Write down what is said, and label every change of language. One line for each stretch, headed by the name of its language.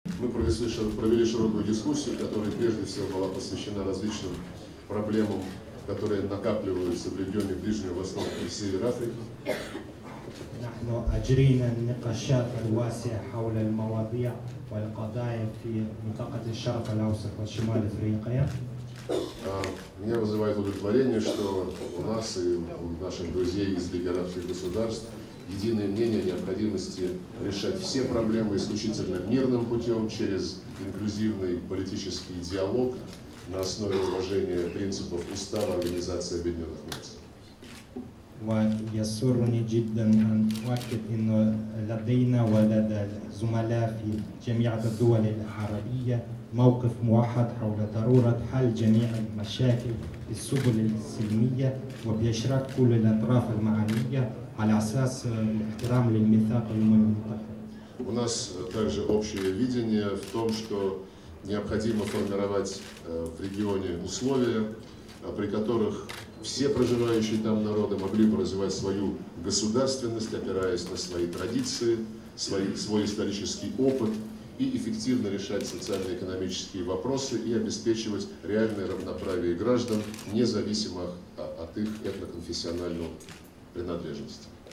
Russian: Мы провели широкую дискуссию, которая прежде всего была посвящена различным проблемам, которые накапливаются в регионе Ближнего Востока и Север Африки.
Arabic: نحن أجرينا النقاشات الواسعة حول المواضيع والقضايا في منطقة الشرق الأوسط وشمال أفريقيا.
Russian: Меня вызывает удовлетворение, что у нас и у наших друзей из Лиги арабских государств единое мнение о необходимости решать все проблемы исключительно мирным путем через инклюзивный политический диалог на основе уважения принципов Устава Организации Объединенных Наций.
Arabic: ويسرني جدا ان اؤكد ان لدينا ولدى الزملاء في جميع الدول العربيه موقف موحد حول ضروره حل جميع المشاكل بالسبل السلميه وباشراك كل الاطراف المعنيه على اساس الاحترام للميثاق الامم المتحده.
Russian: У нас также общее видение в том, что необходимо формировать в регионе условия, при которых все проживающие там народы могли бы развивать свою государственность, опираясь на свои традиции, свой исторический опыт и эффективно решать социально-экономические вопросы и обеспечивать реальное равноправие граждан, независимо от их этноконфессиональной принадлежности.